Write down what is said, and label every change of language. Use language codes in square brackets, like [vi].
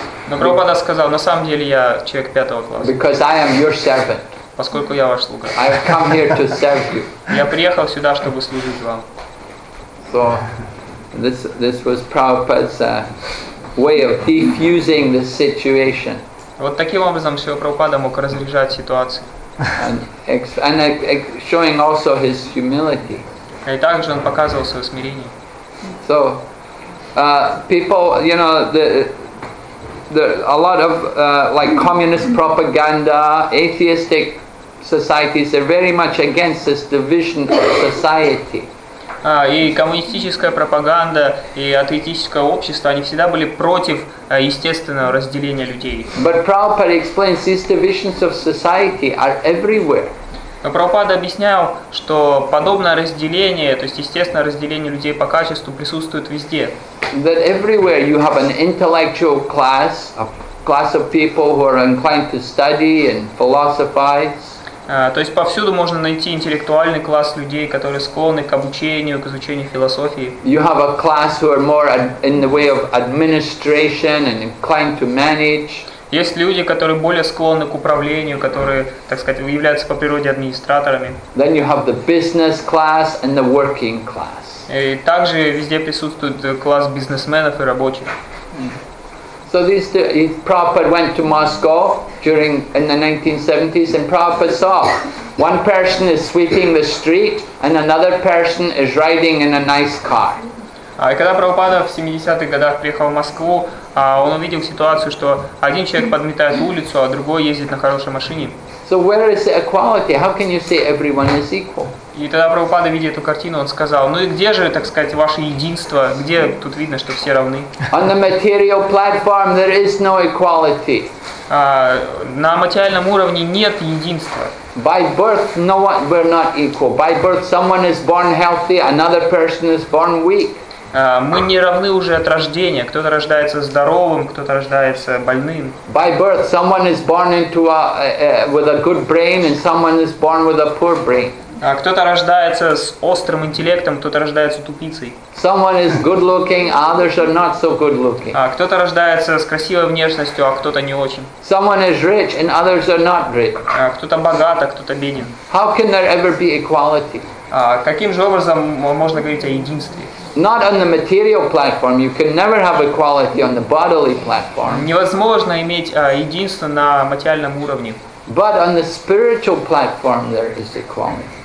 [ru] Но Прабхупада сказал: на самом деле я человек пятого класса. [en] Because I am your servant. [ru] поскольку я ваш слуга. [en] I've come here to serve you. [ru] Я приехал сюда, чтобы служить вам. [en] So, this was Prabhupada's way of defusing the situation. [ru] Вот таким образом Шрила Прабхупада мог разряжать ситуацию. [en] And showing also his humility. [ru] И также он показывал свое смирение. [en] So, people, you know, a lot of communist propaganda, atheistic societies are very much against this division of society. [ru] И коммунистическая пропаганда и атеистическое общество, они всегда были против естественного разделения людей. [en] But Prabhupada explains these divisions of society are everywhere. [ru] Но Прабхупада объяснял, что подобное разделение, то есть естественное разделение людей по качеству, присутствует везде. [en] That everywhere you have an intellectual class, a class of people who are inclined to study and philosophize. [ru] То есть повсюду можно найти интеллектуальный класс людей, которые склонны к обучению, к изучению философии. [en] You have a class who are more in the way of administration and inclined to manage. [ru] Есть люди, которые более склонны к управлению, которые, так сказать, являются по природе администраторами. [en] Then you have the business class and the working class. [ru] И также везде присутствует класс бизнесменов и рабочих. [en] So this Prabhupada went to Moscow during in the 1970s, and Prabhupada saw one person is sweeping the street and another person is riding in a nice car. [ru] И когда Прабхупада в 70-х годах приехал в Москву, он увидел ситуацию, что один человек подметает улицу, а другой ездит на хорошей машине. [en] So where is the equality? How can you say everyone is equal? [ru] И тогда Прабхупада, видя эту картину, он сказал, ну и где же, так сказать, ваше единство? Где тут видно, что все равны? [en] On the material platform there is no equality. [ru] На материальном уровне нет единства. [en] By birth, no one, we're not equal. By birth, someone is born healthy, another person is born weak. [ru] Мы не равны уже от рождения. Кто-то рождается здоровым, кто-то рождается больным. [en] By birth, someone is born into with a good brain, and someone is born with a poor brain. [ru] Кто-то рождается с острым интеллектом, кто-то рождается тупицей. [en] Someone is good looking, others are not so good looking. [ru] Кто-то рождается с красивой внешностью, а кто-то не очень. [en] Someone is rich, and others are not rich. [ru] Кто-то богат, а кто-то беден. [en] How can there ever be equality? [ru] Каким же образом можно говорить о единстве? [en] Not on the material platform. You can never have equality on the bodily platform. [ru] Невозможно иметь единство на материальном уровне. [en] But on the spiritual platform, there is equality.